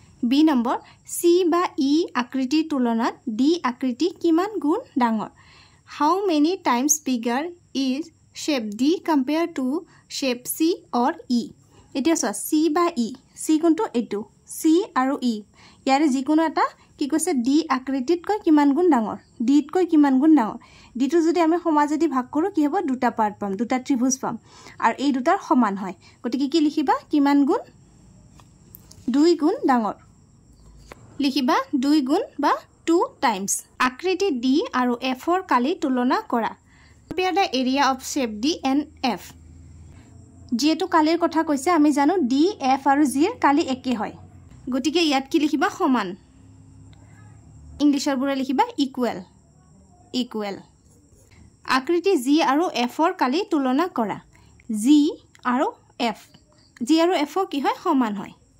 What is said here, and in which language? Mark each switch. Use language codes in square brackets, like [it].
[as] B number, C বা ই আকৃতিৰ তুলনাত ডি আকৃতি কিমান গুণ ডাঙৰ, [en] How many times bigger is shape D compare to shape C or E. [as] এতিয়া চোৱা, চি বা ই, চি কোনটো, এইটো চি আৰু ই, ইয়াৰে যিকোনো এটা কি কৈছে, ডি আকৃতিতকৈ কিমান গুণ ডাঙৰ, ডিতকৈ কিমান গুণ ডাঙৰ। ডিটো যদি আমি সমাজে দি ভাগ কৰোঁ কি হ'ব, দুটা পাৰ্ট পাম, দুটা ত্ৰিভুজ পাম, আৰু এই দুটাৰ সমান হয়। গতিকে কি লিখিবা, কিমান গুণ, 2 গুণ ডাঙৰ লিখিবা, 2 গুণ বা 2 টাইমছ। আকৃতি ডি আৰু এফৰ কালি তুলনা কৰা, [en] Compare the area of shape D and F. [as] যিহেতু কালিৰ কথা কৈছে, আমি জানো ডি এফ আৰু জিৰ কালি একে হয়, গতিকে ইয়াত কি লিখিবা, সমান। ইংলিছৰবোৰে লিখিবা ইকুৱেল, ইকুৱেল। আকৃতি জি আৰু এফৰ কালি তুলনা কৰা, জি আৰু এফ, জি আৰু এফৰ কি হয়, সমান হয়।